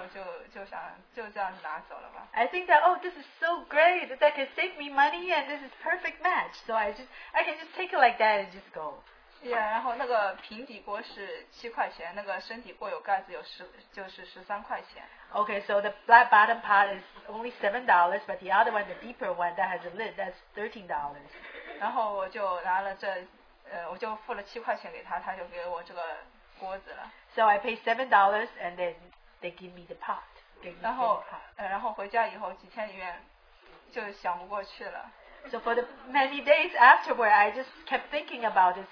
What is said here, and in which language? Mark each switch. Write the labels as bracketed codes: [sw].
[zh] 然后我想，哎呀，这个又省钱又完美，然后就想就这样拿走了吧。 [en] I think that oh, this is so great that can save me money and this is perfect match. So I can just take it like that and just go. Yeah, [zh] 然后那个平底锅是7块钱，那个身体锅有盖子有十就是13块钱。 [en] Okay, so the flat bottom pot is only $7, but the other one, the deeper one that has a lid, that's $13. [zh] 然后我就拿了这。我就付了7块钱给他, 他就给我这个锅子了。 [en] So I paid $7 and then they give me the pot. [zh] 然后回家以后, 几天里面, 就想不过去了。 [en] So for the many days afterward, I just kept thinking about this.